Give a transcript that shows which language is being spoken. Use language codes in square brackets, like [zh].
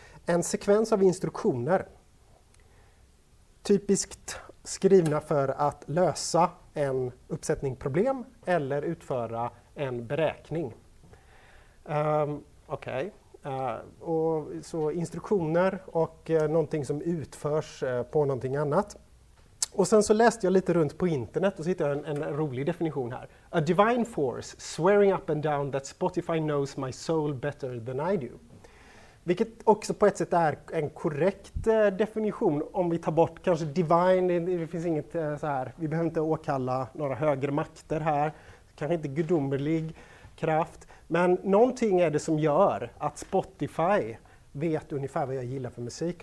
[sv] En sekvens av instruktioner, typiskt skrivna för att lösa en uppsättning problem eller utföra en beräkning. Okej. Och så instruktioner och någonting som utförs på någonting annat. Och sen så läste jag lite runt på internet och så hittade jag en rolig definition här. [en] A divine force swearing up and down that Spotify knows my soul better than I do. [sv] Vilket också på ett sätt är en korrekt definition om vi tar bort kanske divine. Det finns inget så här. Vi behöver inte åkalla några högre makter här. Kanske inte gudomlig kraft. Men någonting är det som gör att Spotify vet ungefär vad jag gillar för musik.